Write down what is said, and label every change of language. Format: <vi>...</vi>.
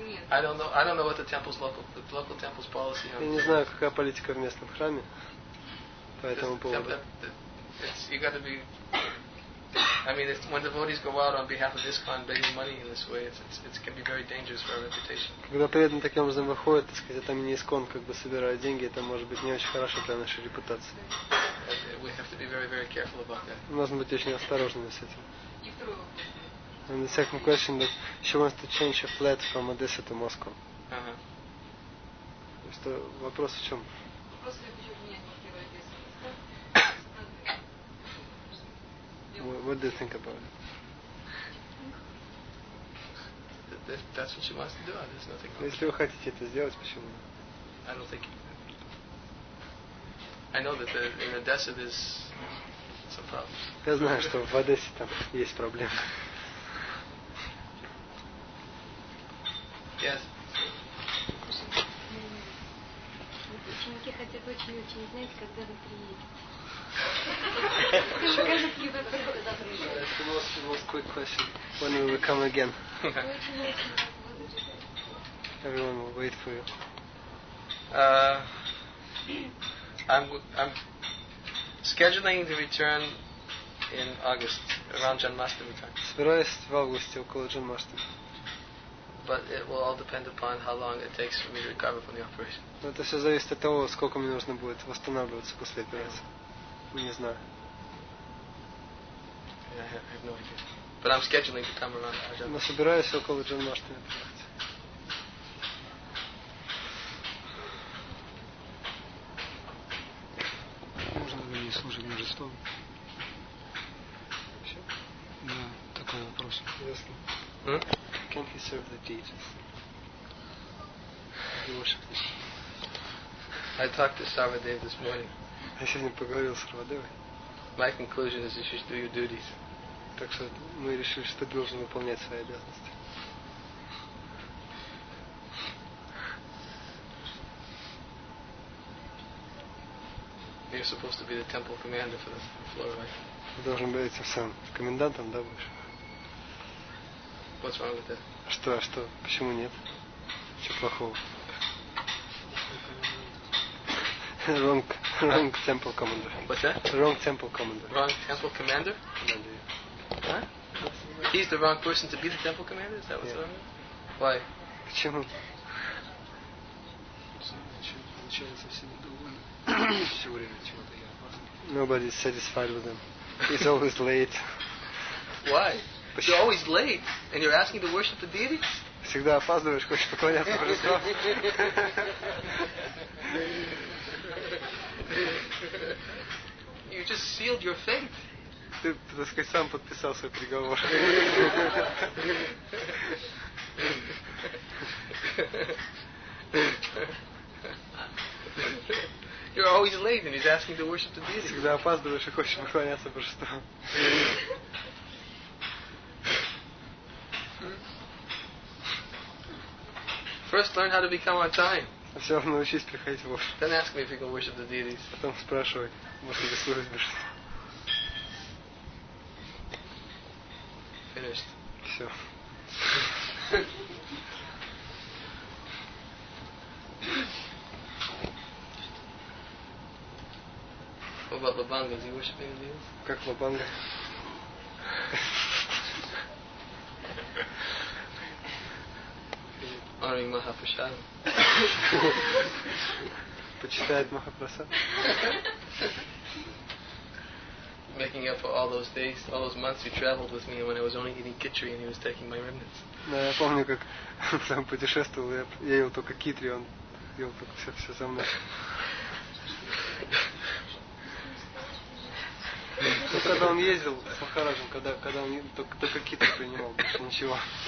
<en>I don't know what the temple's local temple's policy.</en> <ru>Я не знаю, какая политика в местном храме по этому поводу.</ru> <en>You got to be. I mean, when devotees go out on behalf of ISKCON begging money in this way, it can be very dangerous for our reputation.</en> <ru>Когда преданный таким образом выходит, так сказать, там не ИСККОН как бы собирает деньги, это может быть не очень хорошо для нашей репутации.</ru> <en>We have to be very, very careful about that.</en> <ru>Нужно быть очень осторожными с этим.</ru> <en>And the second question, that she wants to change her flat from Odessa to Moscow. Uh-huh.</en> <ru>Что, вопрос в чем?</ru> <en>What do you think about it? That's what she wants to do. There's nothing wrong.</en> <ru>Если вы хотите это сделать, почему?</ru> <en>I don't think. I know that in Odessa there's some problems.</en> <ru>Я знаю, что в Одессе там есть проблемы.</ru> <en>Yes.</en> <ru>Ученики хотят очень-очень знать, когда вы приедете.</ru> <en>Ask the most quick question. When will we come again? Everyone will wait for you. I'm scheduling the return in August, around Janmashtami time.</en> <ru>Собираюсь в августе около Janmashtami.</ru> <en>But it will all depend upon how long it takes for me to recover from the operation.</en> <ru>Но это все зависит от того, сколько мне нужно будет восстанавливаться после операции. Не знаю.</ru> <en>I have no idea. But I'm scheduling to come around.</en> <ru>Но собираюсь около Джанмаштами приехать. Можно ли мне служить божеством? Вообще? Да, такой вопрос. Ясно.</ru> <en>Can he serve the deities? He worship the deities. I talked to Sarvadev this morning.</en> <ru>Я сегодня поговорил с Сарвадевой.</ru> <en>My conclusion is you should do your duties.</en> <ru>Так что мы решили, что ты должен выполнять свои обязанности.</ru> <en>You're supposed to be the temple commander for the floor, right?</en> <ru>Ты должен быть этим самым комендантом, да, будешь?</ru> <en>What's wrong with that?</en> <ru>Что? Почему нет? Чего плохого?</ru> <en>Wrong temple commander. What's that? Wrong temple commander. Wrong temple commander? Commander, yeah. Huh? He's the wrong person to be the temple commander? Is that what's wrong? Yeah. Why?</en> <ru>Почему?</ru> <en>Nobody's satisfied with him. He's always late. Why? You're always late? And you're asking to worship the deities?</en> <ru>Всегда опаздываешь, хочешь поклоняться божеству.</ru> <en>You just sealed your fate.</en> <ru>Ты, так сказать, сам подписал свой приговор.</ru> <en>You're always late and he's asking to worship the deity.</en> <ru>Всегда опаздываешь и хочешь поклоняться божеству.</ru> <en>First learn how to become on time.</en> <ru>Все равно научись приходить вовремя.</ru> <en>Then ask me if you can worship the deities.</en> <ru>Потом спрашивай, может ли служить божеству.</ru> <en>What about Lobanga? Is he worshiping the deities?</en> <ru>Как Лобанга?</ru> <en>Honoring Mahaprasad.</en> <ru>Почитает Махапрасад.</ru> <en>Making up for all those days, all those months you traveled with me when I was only eating khichdi and he was taking my remnants.</en> <ru>Да, я помню, как сам путешествовал, я ел только китри, он ел только все за мной. Но когда он ездил с Махараджем, когда он только китри принимал, больше ничего.</ru>